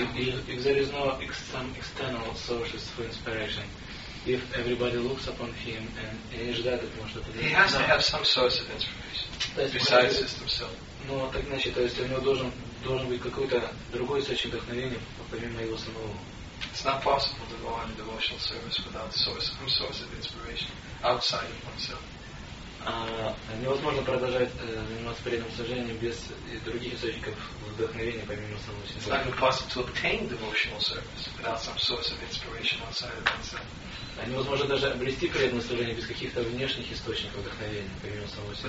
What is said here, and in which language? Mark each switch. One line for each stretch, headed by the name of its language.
English: If there is no some external sources for inspiration, if everybody looks upon him and
Russian: не ждет от него что-то.
English: He has to have some source of inspiration besides just himself.
Russian: Ну, так значит, то есть у него должен быть какой-то другой источник вдохновения помимо его самого.
English: It's not possible to go on a devotional service without some source of inspiration outside of oneself.
Russian: Невозможно продолжать заниматься преданным служением без других источников вдохновения помимо самого себя.
English: It's not even possible to obtain devotional service without some source of inspiration outside of oneself.
Russian: Невозможно даже обрести преданное служение без каких-то внешних источников вдохновения помимо самого себя.